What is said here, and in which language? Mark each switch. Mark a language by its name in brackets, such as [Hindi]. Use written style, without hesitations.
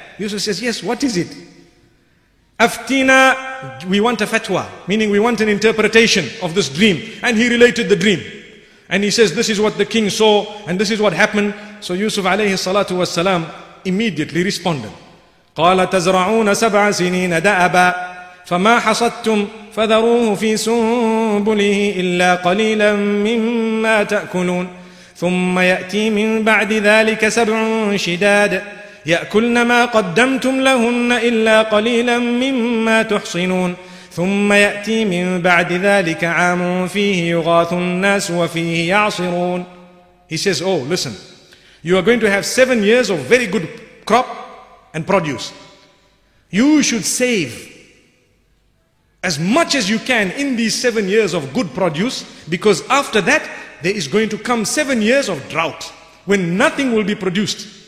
[English] Yusuf says, yes, what is it? Aftina, we want a fatwa, meaning we want an interpretation of this dream. And he related the dream. And he says, this is what the king saw, and this is what happened. So Yusuf alayhi salatu was salam immediately responded. [Arabic] قَالَ تَزْرَعُونَ سَبْعَ سِنِينَ دَأَبًا فَمَا حَصَدْتُمْ فَذَرُوهُ فِي سُنْبُلِهِ إِلَّا قَلِيلًا مِّمَّا تَأْكُلُونَ ثُمَّ يَأْتِي مِنْ بَعْدِ ذَلِكَ سَبْعٌ شِدَادٌ يأكلن ما قدمتم لهن إلا قليلا مما تحصنون ثم يأتي من بعد ذلك عام فيه يغاث الناس وفيه يعصرون. [English] He says, oh listen, you are going to have 7 years of very good crop and produce. You should save as much as you can in these 7 years of good produce, because after that there is going to come 7 years of drought when nothing will be produced.